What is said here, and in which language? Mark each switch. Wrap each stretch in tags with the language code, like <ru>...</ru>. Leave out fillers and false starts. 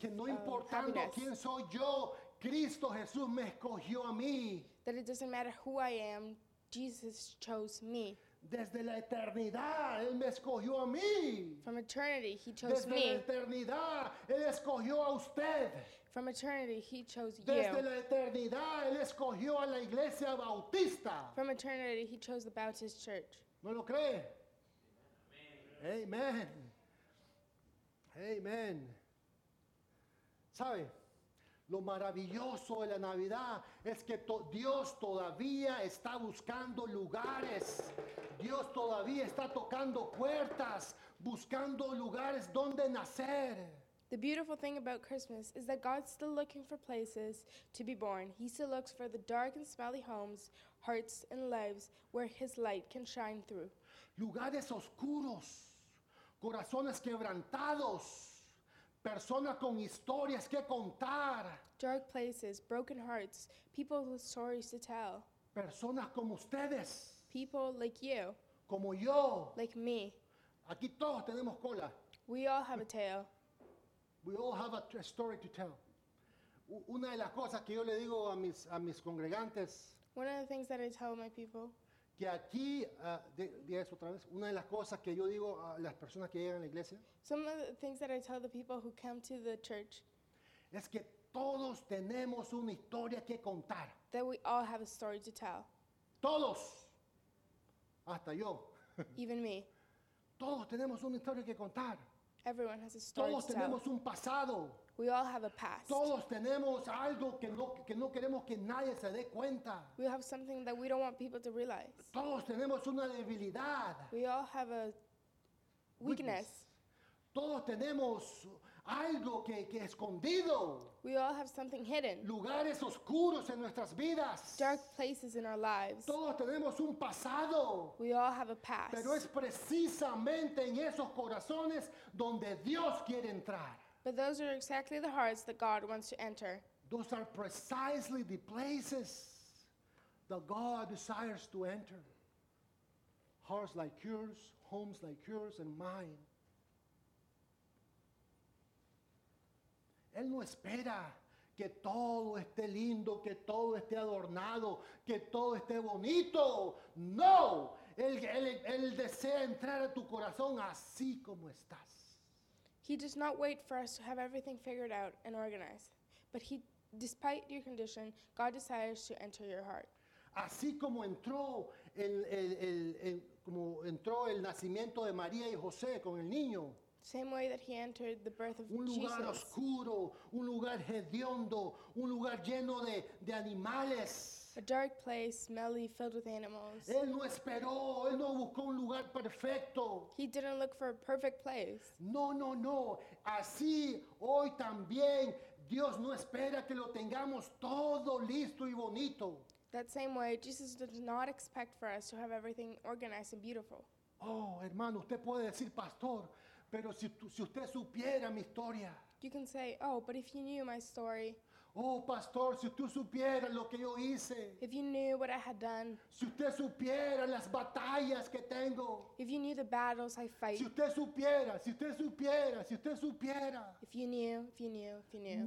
<es>Que no importando quién soy yo, Cristo Jesús me escogió a mí.</es> <en>That it doesn't matter who I am, Jesus chose me.</en> <es>Desde la eternidad, Él me escogió a mí.</es> <en>From eternity, He chose</en> <es>Desde</es> <en>me.</en> <es>Desde la eternidad, Él escogió a usted.</es> <en>From eternity, He chose</en> <es>Desde Desde la eternidad, Él escogió a la Iglesia Bautista.</es> <en>From eternity, He chose the Baptist Church.</en> <es>¿No lo cree?</es> <en>Amen.</en> <es>Amen. Amen. ¿Sabe? Lo maravilloso de la Navidad es que Dios todavía está buscando lugares. Dios todavía está tocando puertas, buscando lugares donde nacer.</es> <en>The beautiful thing about Christmas is that God's still looking for places to be born. He still looks for the dark and smelly homes, hearts and lives where His light can shine through.</en> <es>Lugares oscuros, corazones quebrantados. Personas con historias que contar.</es> <en>Dark places, broken hearts, people with stories to tell.</en> <es>Personas como ustedes.</es> <en>People like you.</en> <es>Como yo.</es> <en>Like me.</en> <es>Aquí todos tenemos cola.</es> <en>We all have a tale. We all have a story to tell.</en> <es>Una de las cosas que yo le digo a mis congregantes.</es> <en>One of the things that I tell my people.</en> <es>Que aquí, eso otra vez, una de las cosas que yo digo a las personas que llegan a la iglesia.</es> <en>Some of the things that I tell the people who come to the church.</en> <es>Es que todos tenemos una historia que contar.</es> <en>That we all have a story to tell.</en> <es>Todos. Hasta yo.</es> <en>Even me.</en> <es>Todos tenemos una historia que contar.</es> <en>Everyone has a story</en> <es>todos</es> <en>to tell.</en> <es>Todos tenemos un pasado.</es> <en>We all have a past.</en> <es>Todos tenemos algo que no queremos que nadie se dé cuenta.</es> <en>We have something that we don't want people to realize.</en> <es>Todos tenemos una debilidad.</es> <en>We all have a weakness.</en> <es>Todos tenemos algo que escondido.</es> <en>We all have something hidden.</en> <es>Lugares oscuros en nuestras vidas.</es> <en>Dark places in our lives.</en> <es>Todos tenemos un pasado.</es> <en>We all have a past.</en> <es>Pero es precisamente en esos corazones donde Dios quiere entrar.</es> <en>But those are exactly the hearts that God wants to enter. Those are precisely the places that God desires to enter. Hearts like yours, homes like yours and mine.</en> <es>Él no espera que todo esté lindo, que todo esté adornado, que todo esté bonito. No! Él desea entrar a tu corazón así como estás.</es> <en>He does not wait for us to have everything figured out and organized. But he, despite your condition, God desires to enter your heart.</en> <es>Así como entró el nacimiento de María y José con el niño.</es> <en>Same way that he entered the birth of Jesus.</en> <es>Un lugar</es> <en>Jesus.</en> <es>Oscuro, un lugar hediondo, un lugar lleno de animales.</es> <en>A dark place, smelly, filled with animals.</en> <es>Él no esperó, él no buscó un lugar perfecto.</es> <en>He didn't look for a perfect place.</en> <es>No, no, no. Así hoy también Dios no espera que lo tengamos todo listo y bonito.</es> <en>That same way, Jesus does not expect for us to have everything organized and beautiful.</en> <es>Oh, hermano, usted puede decir, pastor, pero si usted supiera mi historia.</es> <en>You can say, oh, but if you knew my story.</en> <es>Oh, pastor, si tú supieras lo que yo hice.</es> <en>If you knew what I had done.</en> <es>Si usted supiera las batallas que tengo.</es> <en>If you knew the battles I fight.</en> <es>Si usted supiera, si usted supiera, si usted supiera.</es> <en>If you knew, if you knew, if you knew.</en>